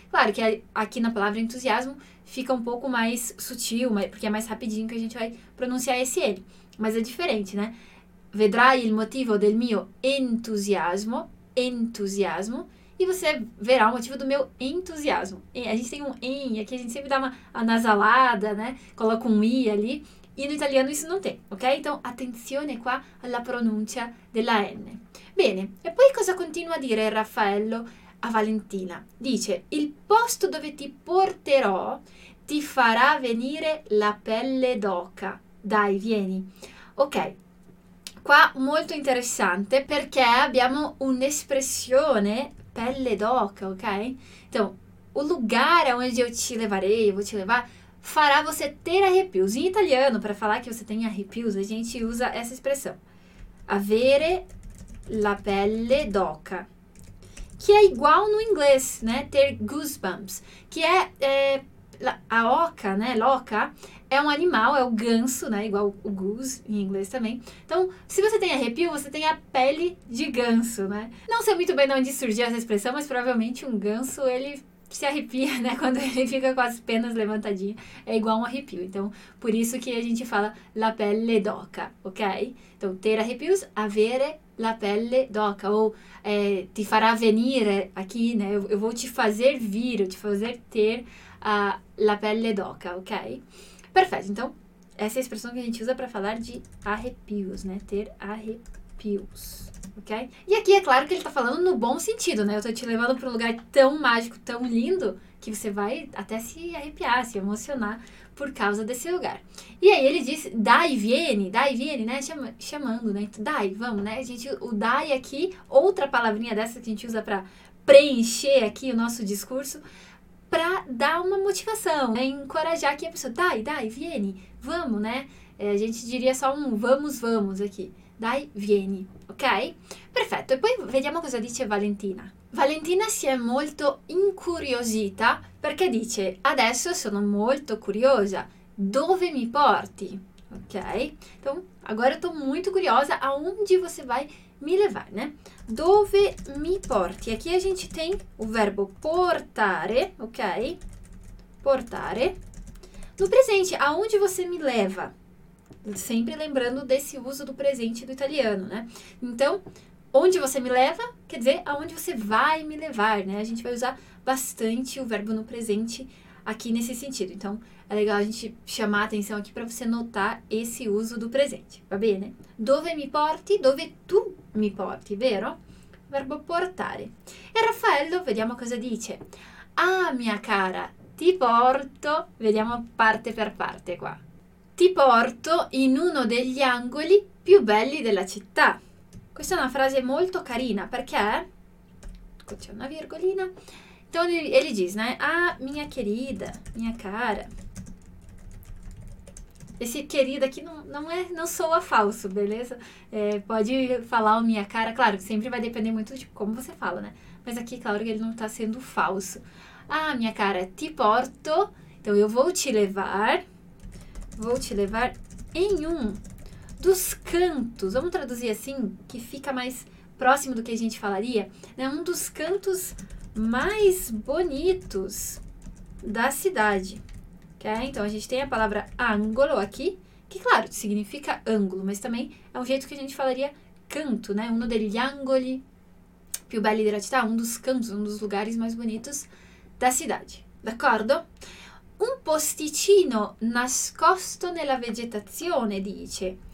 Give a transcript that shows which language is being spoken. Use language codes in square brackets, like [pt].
[pt] Claro que aqui na palavra entusiasmo fica um pouco mais sutil, porque é mais rapidinho que a gente vai pronunciar esse N. Mas é diferente, né? [it] Vedrai il motivo del mio entusiasmo, entusiasmo, [pt] e você verá o motivo do meu entusiasmo. A gente tem um em, aqui a gente sempre dá uma anasalada, né? Coloca um I ali, e no italiano isso não tem, ok? [it] Então, attenzione qua alla pronuncia della N. Bene, e poi cosa continua a dire Raffaello a Valentina? Dice, il posto dove ti porterò ti farà venire la pelle d'oca. Dai, vieni. Ok. Qua molto interessante perché abbiamo un'espressione pelle d'oca, ok? [pt] Então, o lugar onde eu te levarei, eu vou te levar, farà você ter arrepios. In italiano, per falar che você tem arrepios, a gente usa essa expressão. [it] Avere la pelle d'oca. [pt] Que é igual no inglês, né? Ter goosebumps. Que é, a oca, né? L'oca. É um animal, é o ganso, né? Igual o goose em inglês também. Então, se você tem arrepio, você tem a pele de ganso, né? Não sei muito bem de onde surgiu essa expressão, mas provavelmente um ganso, ele se arrepia, né? Quando ele fica com as penas levantadinhas, é igual um arrepio. Então, por isso que a gente fala la pelle d'oca, ok? Então, ter arrepios, [it] avere la pelle d'oca. [pt] Ou ti farà venire aqui, né? Eu vou te fazer vir, te fazer ter la pelle d'oca, ok? Perfeito, então, essa é a expressão que a gente usa para falar de arrepios, né? Ter arrepios, ok? E aqui é claro que ele está falando no bom sentido, né? Eu estou te levando para um lugar tão mágico, tão lindo, que você vai até se arrepiar, se emocionar por causa desse lugar. E aí ele diz, dai, vieni, né? Chamando, né? Dai, vamos, né? A gente, o dai aqui, outra palavrinha dessa que a gente usa para preencher aqui o nosso discurso, para dar uma motivação, né? Encorajar aqui a pessoa, dai, vieni, vamos, né? A gente diria só um vamos aqui, dai, vieni, ok? [it] Perfetto, e poi vediamo cosa dice Valentina. Valentina si è molto incuriosita perché dice, adesso sono molto curiosa, dove mi porti? Ok? [pt] Então, agora eu tô muito curiosa, aonde você vai me levar, né? [it] Dove mi porti? [pt] Aqui a gente tem o verbo portare, ok? Portare. No presente, aonde você me leva? Sempre lembrando desse uso do presente do italiano, né? Então, onde você me leva, quer dizer, aonde você vai me levar, né? A gente vai usar bastante o verbo no presente aqui nesse sentido. Então, é legal a gente chamar a atenção aqui para você notar esse uso do presente, va bene? [it] Dove mi porti? Dove tu mi porti, vero? Verbo portare. E Raffaello, vediamo cosa dice. Ah, mia cara, ti porto, vediamo parte per parte qua. Ti porto in uno degli angoli più belli della città. Questa è una frase molto carina perché, qua c'è una virgolina, [pt] então ele diz, né? Ah, minha querida, minha cara. Esse querida aqui não soa falso, beleza? Pode falar o minha cara, claro, sempre vai depender muito de como você fala, né? Mas aqui, claro que ele não tá sendo falso. Ah, minha cara, ti porto. Então eu vou te levar em um dos cantos. Vamos traduzir assim, que fica mais próximo do que a gente falaria, né? Um dos cantos mais bonitos da cidade, ok? Então, a gente tem a palavra ângulo aqui, que, claro, significa ângulo, mas também é um jeito que a gente falaria canto, né? [it] Uno degli angoli più belli della città, [pt] um dos cantos, um dos lugares mais bonitos da cidade, d'accordo? [it] Un posticino nascosto nella vegetazione, dice.